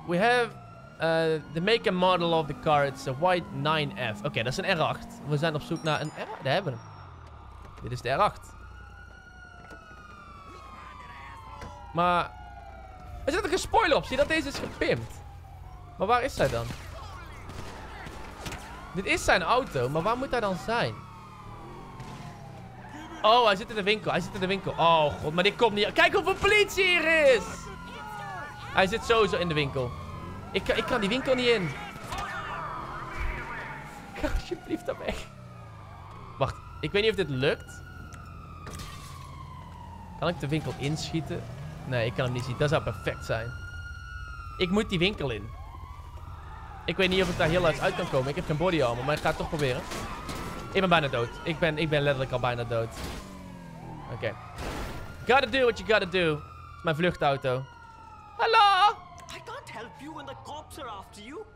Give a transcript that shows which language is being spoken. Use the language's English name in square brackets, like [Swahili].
[English] We have the make and model of the car. It's a white 9F. [Dutch] Oké, dat is een R8. We zijn op zoek naar een R8. Daar hebben we hem. Dit is de R8. Maar... Er zit ook een spoiler op. Zie dat deze is gepimpt. Maar waar is hij dan? Dit is zijn auto, maar waar moet hij dan zijn? Oh, hij zit in de winkel. Hij zit in de winkel. Oh, god. Maar dit komt niet... Kijk hoeveel politie hier is! Hij zit sowieso in de winkel. Ik kan die winkel niet in. Ga alsjeblieft dan weg. Wacht. Ik weet niet of dit lukt. Kan ik de winkel inschieten? Nee, ik kan hem niet zien. Dat zou perfect zijn. Ik moet die winkel in. Ik weet niet of ik daar heel hard uit kan komen. Ik heb geen body armor, maar ik ga het toch proberen. Ik ben bijna dood. Ik ben letterlijk al bijna dood. Oké. Okay. [English] Gotta do what you gotta do. [Dutch] Mijn vluchtauto. Hallo? [English] I can't help you when the cops are after you.